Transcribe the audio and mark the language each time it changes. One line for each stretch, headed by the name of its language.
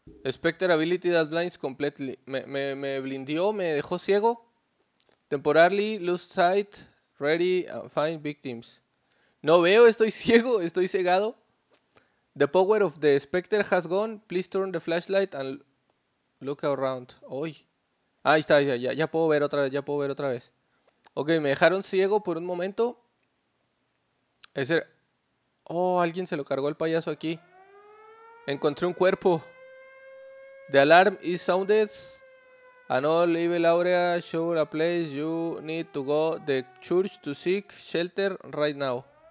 English: Spectre Ability that blinds completely.
Spanish: Me blindió, me dejó ciego.
English: Temporarily lose sight. Ready, find victims.
Spanish: No veo, estoy ciego, estoy cegado.
English: The power of the Spectre has gone. Please turn the flashlight and look around. Uy.
Spanish: Ahí está, ya puedo ver otra vez, Ok, me dejaron ciego por un momento. Ese... oh, alguien se lo cargó el payaso aquí. Encontré un cuerpo.
English: The alarm is sounded. An old evil aura shows a place you need to go. The church to seek shelter right now.